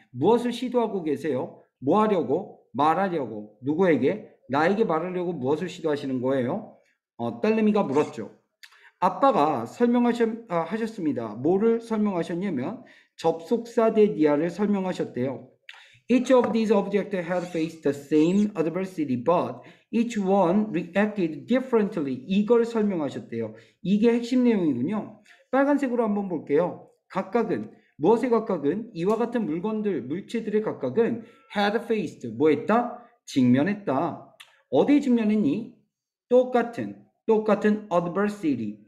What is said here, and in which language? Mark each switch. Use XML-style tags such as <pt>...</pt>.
<ko>무엇을 시도하고 계세요? 뭐 하려고? 말하려고. 누구에게? 나에게 말하려고 무엇을 시도하시는 거예요? 딸내미가 물었죠. 아빠가 하셨습니다. 뭐를 설명하셨냐면 접속사 데디아를 설명하셨대요.</ko> <en>Each of these objects had faced the same adversity, but each one reacted differently.</en> <ko>이걸 설명하셨대요. 이게 핵심 내용이군요. 빨간색으로 한번 볼게요. 각각은, 무엇의 각각은? 이와 같은 물건들, 물체들의 각각은 had faced, 뭐 했다? 직면했다. 어디에 직면했니? 똑같은 adversity.</ko>